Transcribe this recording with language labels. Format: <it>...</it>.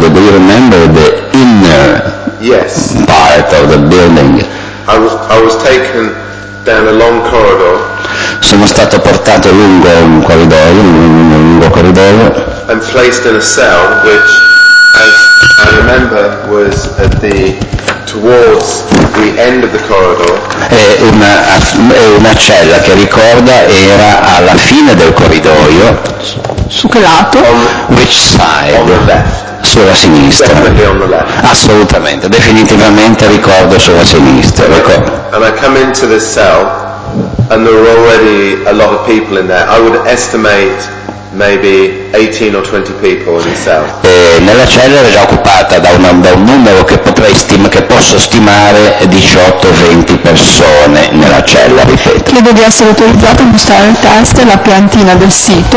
<en>Do you remember the inner part of the building? I was taken down a long corridor.</en> <it>Sono stato portato lungo un corridoio, lungo corridoio.</it> <en>And placed in a cell which, as I remember, was at the towards the end of the corridor.</en> <it>È una cella che ricorda era alla fine del corridoio. Su che lato?</it> <en>Which side? On the left.</en> <it>Sulla sinistra.</it> <en>Definitely on the left.</en> <it>Assolutamente, definitivamente ricordo sulla sinistra.</it> <en>And I come into this cell, and there were already a lot of people in there. I would estimate maybe 18 or 20 people in the cell.</en> <it>E nella cella era già occupata da un numero che posso stimare 18-20 persone nella cella, ripeto. Credo di essere autorizzato a mostrare il test e la piantina del sito.</it>